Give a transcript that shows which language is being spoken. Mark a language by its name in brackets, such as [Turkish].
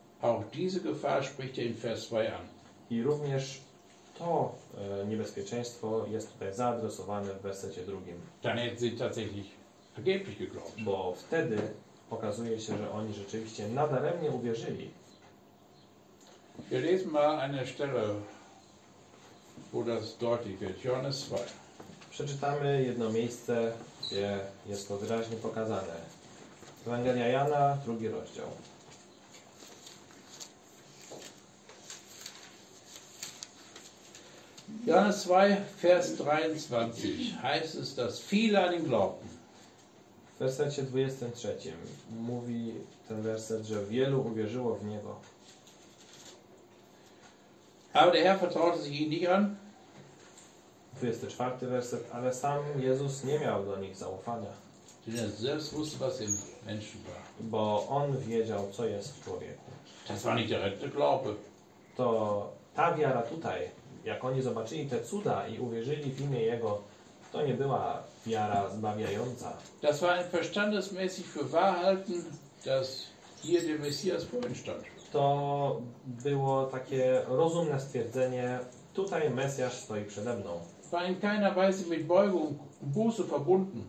[German] Auch diese Gefahr spricht in Vers 2 an. [Polish] I również to niebezpieczeństwo jest tutaj zaadresowane w wersecie drugim. [German] Dann hätten sie tatsächlich vergeblich geglaubt. [Polish] Bo wtedy okazuje się, że oni rzeczywiście nadaremnie uwierzyli. [German] Wir lesen mal eine Stelle, wo das deutlich wird. Johannes 2. [Polish] Przeczytamy jedno miejsce, gdzie jest to wyraźnie pokazane. Ewangelia Jana, drugi rozdział. [German] Johannes 2, Vers 23 heißt es, dass viele an ihn glaubten. [Polish] W wersecie 23 mówi ten werset, że wielu uwierzyło w Niego. [German] Aber der Herr vertraute sich ihnen nicht an. [Polish] 24. werset. Ale sam Jezus nie miał do nich zaufania. [German] Denn er selbst wusste, was im Menschen war. [Polish] Bo on wiedział, co jest w człowieku. [German] Das war nicht der rechte Glaube. [Polish] To ta wiara tutaj, jak oni zobaczyli te cuda i uwierzyli w imię Jego, To nie była wiara zbawiająca. [German] Das war ein verstandesmäßig für wahr halten, dass hier der Messias vor uns stand. [Polish] To było takie rozumne stwierdzenie, tutaj Mesjasz stoi przede mną. [German] War in keiner Weise mit Beugung und Buße verbunden.